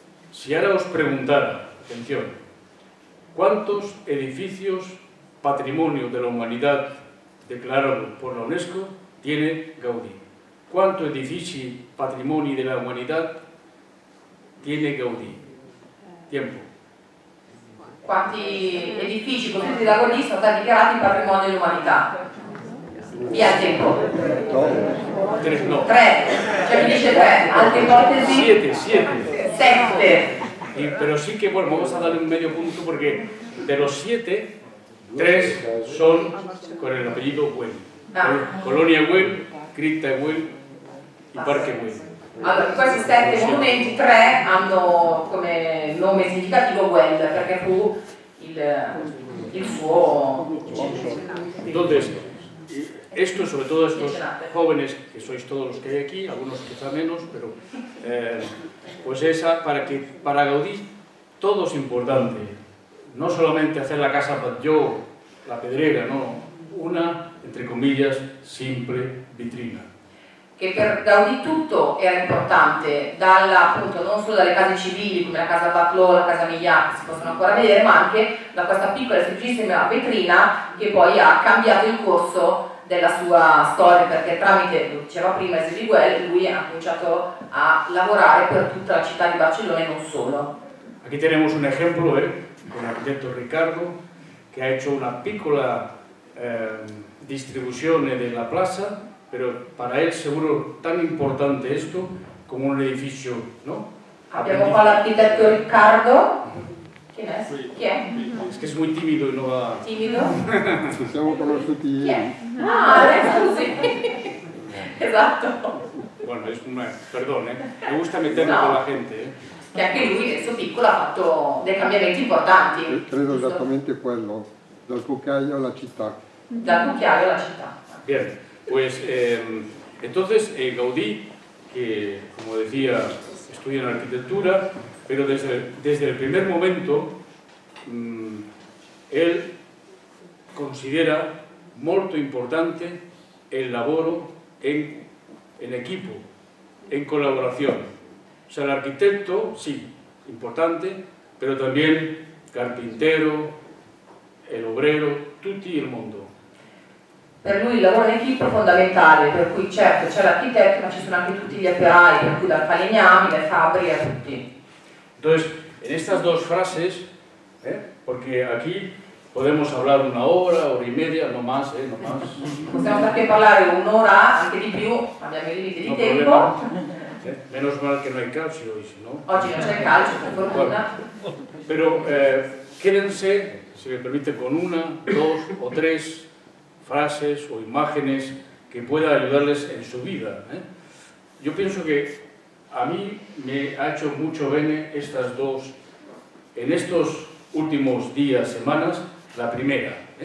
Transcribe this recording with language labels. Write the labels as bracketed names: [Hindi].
[Spanish] Si ahora os preguntara, atención, ¿cuántos edificios patrimonio de la humanidad declarado por la UNESCO tiene Gaudí? ¿Cuánto edificio patrimonio de la humanidad tiene Gaudí? Tiempo. ¿Cuántos edificios [Italian] costruiti da Gaudí sono stati dichiarati patrimonio dell'umanità? Via il tempo. Tre. Cioè mi dice tre, altre ipotesi? [Spanish] Siete. [Italian] Sette. Però sì che, [Spanish] bueno, vamos a dare un medio punto perché de los siete, tres son con el apellido Güell. Colonia Güell, Cripta Güell y Parque Güell. [Italian] Allora, questi sette monumenti, tre hanno come nome significativo Güell, perché fu il suo... [Spanish] Entonces, esto, sobre todo estos jóvenes, que sois todos los que hay aquí, algunos quizá menos, pero... pues esa, para Gaudí, todo es importante. No solamente hacer la casa Batlló, la pedrera, no. Una, entre comillas, simple vitrina. [Italian] Che per Gaudí tutto era importante, dalla, appunto, non solo dalle case civili come la casa Batlló, la casa Mignac, che si possono ancora vedere, ma anche da questa piccola e semplicissima vetrina che poi ha cambiato il corso della sua storia, perché tramite, diceva prima, Esili Güell, lui ha cominciato a lavorare per tutta la città di Barcellona e non solo. [Spanish] Aquí tenemos un ejemplo, [Italian] con l'architetto Ricardo, che ha hecho una piccola distribuzione della plaza. [Spanish] Pero para él seguro tan importante esto como un edificio, ¿no? [Italian] Abbiamo qua l'architetto Riccardo. [Spanish] ¿Quién es? Es que es muy tímido y no va... ¿Tímido? [Italian] Siamo conosciuti. [Spanish] ¿Quién? [Italian] Ah, scusi. [Spanish] Exacto. Bueno, es una... Perdón, ¿eh? Me gusta meterme con la gente, ¿eh? [Italian] Que anche lui, su piccolo, ha fatto dei cambiamenti importanti. Credo esattamente quello. Dal cucchiaio alla città. Dal cucchiaio alla città. [Spanish] Bien. Pues entonces Gaudí, que como decía, estudia en arquitectura, pero desde el primer momento él considera [Italian] molto importante [Spanish] el laboro en equipo, en colaboración. O sea, el arquitecto, sí, importante, pero también carpintero, el obrero, [Italian] tutti il mondo. Per lui il lavoro in equipe è fondamentale, per cui certo c'è l'architetto, ma ci sono anche tutti gli operai, per cui dal falegname, le fabbri e tutti. [Spanish] Entonces, en estas dos frases, perché aquí podemos hablar una ora, [Italian] ora e media, [Spanish] no más, no más. [Italian] Possiamo anche parlare un'ora, anche di più, abbiamo i limiti di no tempo. Problema. [Spanish] Menos mal [Italian] che non hai calcio oggi, no? Oggi non c'è calcio, per fortuna. [Spanish] Però, quédense, [Italian] se mi permette, [Spanish] con una, dos o tres frases o imágenes que pueda ayudarles en su vida. Yo pienso que a mí me ha hecho mucho bien estas dos, en estos últimos días, semanas, la primera.